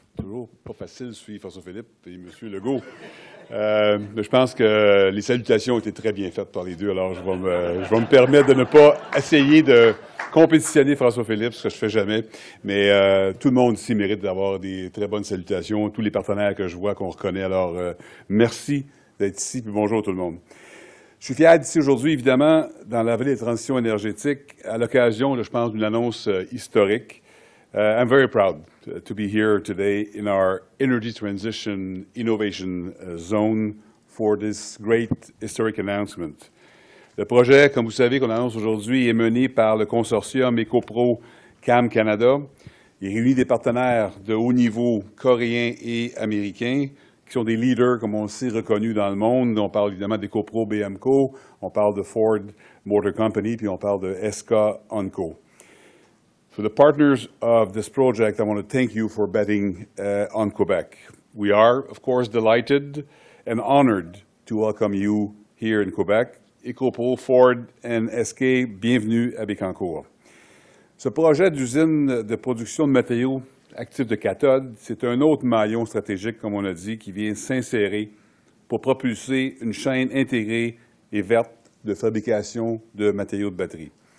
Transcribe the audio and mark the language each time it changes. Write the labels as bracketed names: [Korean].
[French] Toujours pas facile de suivre François-Philippe et M. Legault. Je pense que les salutations ont été très bien faites par les deux, alors je vais me permettre de ne pas essayer de compétitionner François-Philippe, ce que je fais jamais, mais tout le monde ici mérite d'avoir des très bonnes salutations, tous les partenaires que je vois, qu'on reconnaît, alors merci d'être ici, puis bonjour tout le monde. Je suis fier d'ici aujourd'hui, évidemment, dans la vallée des transitions énergétiques, à l'occasion, là, je pense, d'une annonce historique. [English] I'm very proud to be here today in our Energy Transition Innovation Zone for this great historic announcement. [French] Le projet, comme vous savez, qu'on annonce aujourd'hui, est mené par le consortium EcoPro CAM Canada. Il réunit des partenaires de haut niveau coréens et américains qui sont des leaders, comme on le sait, reconnus dans le monde. On parle évidemment d'EcoPro BMCO, on parle de Ford Motor Company, puis on parle de SK Onco. [English] For the partners of this project, I want to thank you for betting on Quebec. We are, of course, delighted and honored to welcome you here in Quebec. [French] EcoPro, Ford and SK, bienvenue à Bécancour. Ce projet d'usine de production de matériaux actifs de cathode, c'est un autre maillon stratégique, comme on a dit, qui vient s'insérer pour propulser une chaîne intégrée et verte de fabrication de matériaux de batterie.